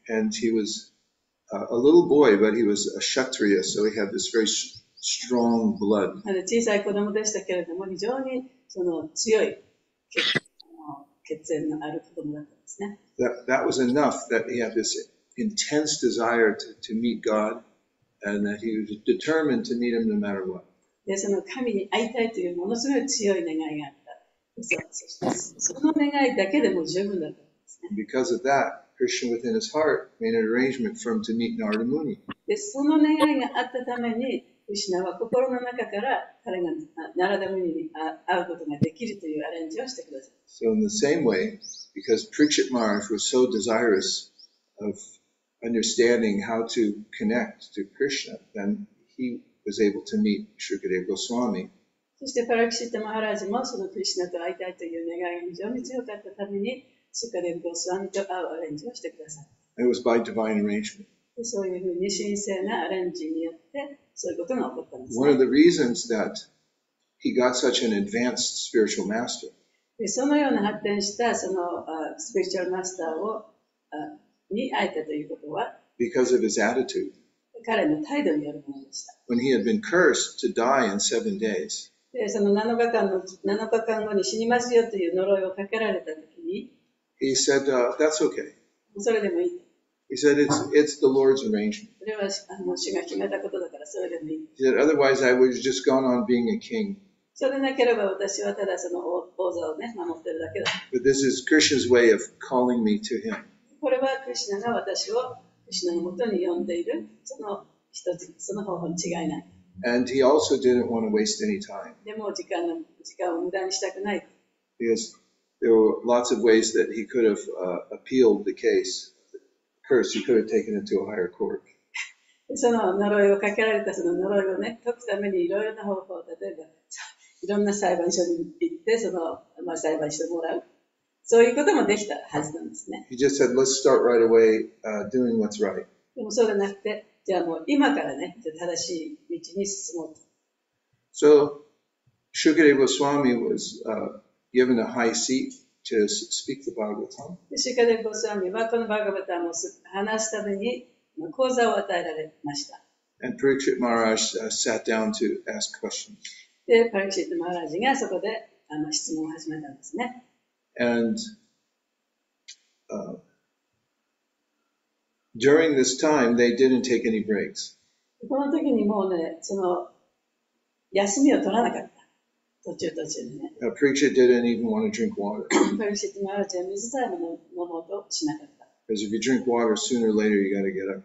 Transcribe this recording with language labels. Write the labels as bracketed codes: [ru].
[en] And he was a little boy, but he was a kshatriya, so he had this very strong blood. [ja] 小さい子供でしたけれども、非常にその強い血縁のある子供だったんですね。 [en] That was enough that he had this. Intense desire to meet God, and that he was determined to meet Him no matter what. [ja] で、その神に会いたいというものすごい強い願いがあった。その願いだけでも十分だったんですね。 [en] Because of that, Krishna within his heart made an arrangement for him to meet Narada Muni. [ja] で、その願いがあったために、クリシナは心の中から彼がナラダムニに会うことができるというアレンジをしてくださいました。 [en] So in the same way, because Prakshit Maharaj was so desirous of understanding how to connect to Krishna, then he was able to meet Shukadeva Goswami. [ja] そしてパラキシッタマハラジもそのクリシナと会いたいという願いが非常に強かったためにシュカデヴゴスワミと会うアレンジをしてください。 [en] It was by divine arrangement. [ja] そういうふうに神聖なアレンジによってそういうことが起こったんです [en] ね。One of the reasons that he got such an advanced spiritual master. [ja] で、そのような発展したその、スピリチュアルマスターを、に会えたということは、 [en] Because of his attitude. [ja] 彼の態度によるものでした。 [en] When he had been cursed to die in 7 days. [ja] で、その7日間後に死にますよという呪いをかけられたときに、 [en] He said, that's okay. [ja] それでもいい。 [en] He said, it's the Lord's arrangement. [ja] それは主が決めたことだからそれでもいい。 [en] He said, otherwise I would have just gone on being a king. [ja] それなければ私はただその王座をね、守ってるだけだ。 [en] But this is Krishna's way of calling me to him. [ja] これはクリシナが私をクリシナの元に呼んでいる、その一つ、その方法に違いない。 [en] And he also didn't want to waste any time. [ja] でも時間を無駄にしたくない。 [en] Because there were lots of ways that he could have appealed the case. Curse, he could have taken it to a higher court. [ja] その呪いをかけられたその呪いをね、解くためにいろいろな方法、例えばいろんな裁判所に行って、その、まあ、裁判してもらう。そういうこともできたはずなんですね。 [en] He just said, let's start right away, doing what's right. [ja] でもそうじゃなくて、じゃあもう今からね、じゃ正しい道に進もうと。 [en] So, Shukadeva Swami was, given a high seat. To speak the Bhagavatam. [ja] シュカデヴァスワミはこのバガヴァタンを話すために講座を与えられました。 [en] And Parikshit Maharaj sat down to ask questions. [ja] で、パリクシットマハラジがそこで質問を始めたんですね。 [en] And during this time, they didn't take any breaks. [ja] この時にもうね、その休みを取らなかった。途中でね、 [en] Preacher didn't even want to drink water. Because if you drink water, sooner or later you got to get up.